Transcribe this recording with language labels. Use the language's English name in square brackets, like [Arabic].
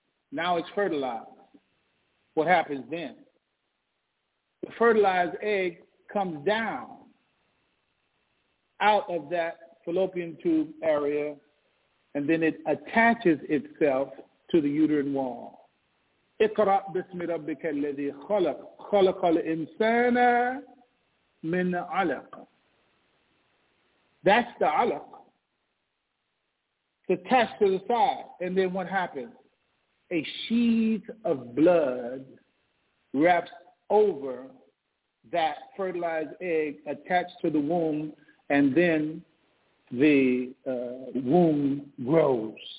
[English] Now it's fertilized. What happens then? The fertilized egg comes down out of that fallopian tube area, and then it attaches itself to the uterine wall. [Arabic] اقرأ بسم ربك الذي خلق خلق الإنسان من علق. [English] That's the alaq. It's attached to the side, and then what happens? A sheath of blood wraps over that fertilized egg attached to the womb, and then the womb grows.